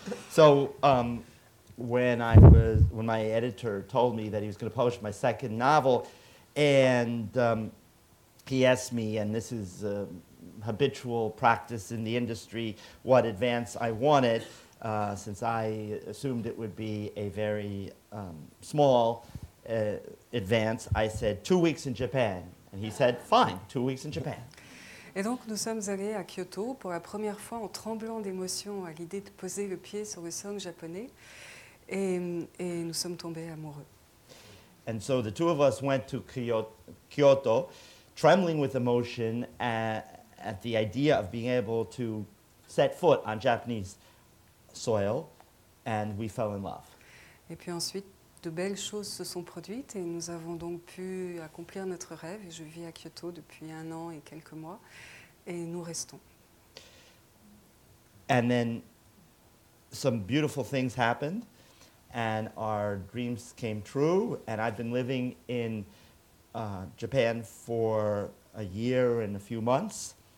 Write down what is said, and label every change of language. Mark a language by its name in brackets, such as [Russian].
[English] So, when my editor told me that he was going to publish my second novel, and he asked me, and this is habitual practice in the industry, what advance I wanted, since I assumed it would be a very small advance, I said 2 weeks in Japan, and he said fine, 2 weeks in Japan. [French] Et donc nous sommes allés à Kyoto pour la première fois en tremblant d'émotion à l'idée de poser le pied sur le sol japonais, et nous sommes tombés amoureux. [English] And so the two of us went to Kyoto, trembling with emotion at the idea of being able to set foot on Japanese soil, and we fell in love. [French] Et puis ensuite, de belles choses se sont produites et nous avons donc pu accomplir notre rêve. Et je vis à Kyoto depuis un an et quelques mois et nous restons. [English] And then some beautiful things happened and our dreams came true. And I've been living in Japan for a year and a few months.